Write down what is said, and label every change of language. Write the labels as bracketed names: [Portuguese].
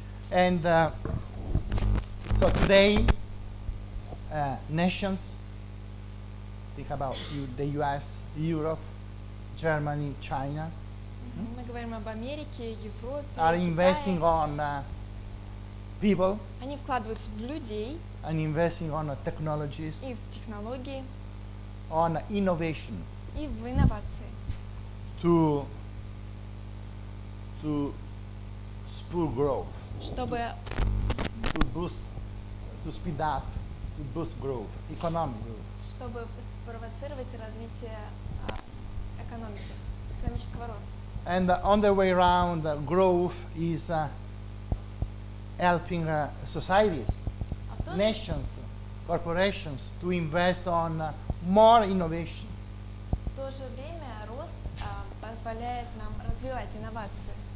[English] And so today nations, think about the US, Europe, Germany, China. [Russian] Мы говорим об Америке, Европе, [English] Китае. Are investing on people. [Russian] Они вкладываются в людей. [English] And investing on technologies. [Russian] И в технологии. [English] On innovation. [Russian] И в инновации. [English] To spur growth. [Russian] Чтобы [English] to boost growth, economic growth. [Russian] Чтобы спровоцировать развитие экономики, экономического роста. [English] And on the way around, growth is helping societies, nations, corporations to invest on more innovation. [Russian] В то же время рост позволяет нам развивать инновации.